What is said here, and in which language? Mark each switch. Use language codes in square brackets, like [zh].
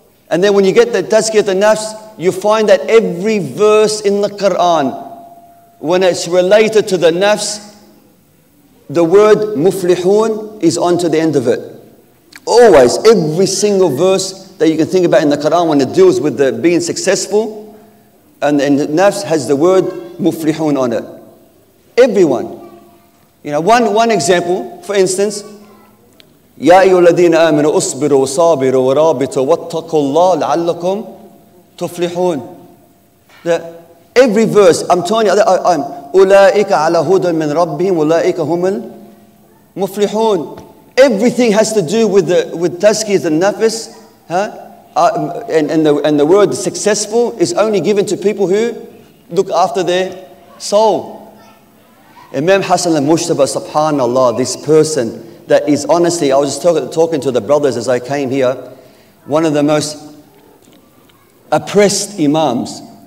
[en] And then when you get the tazkiyat al-nafs, you find that every verse in the Quran, when it's related to the nafs, the word muflihun is on to the end of it. Always, every single verse that you can think about in the Quran when it deals with the being successful, and the nafs has the word muflihun on it. Everyone. You know, one example, for instance, [ar] يَا أَيُّوَ الَّذِينَ آمِنُوا أُصْبِرُوا وَصَابِرُوا وَرَابِطُوا وَاتَّقُوا اللَّهُ لَعَلَّكُمْ تُفْلِحُونَ. [en] That every verse, I'm telling you, I'm [ar] أُولَٰئِكَ عَلَى هُدًى مِّن رَبِّهِمْ وَأُولَٰئِكَ هُمُ الْمُفْلِحُونَ. [en] Everything has to do with tazkiyat al-nafs, huh? And the word successful is only given to people who look after their soul. Imam Hasan al-Mushtaba, subhanAllah, this person that is honestly, I was just talking to the brothers as I came here, one of the most oppressed imams.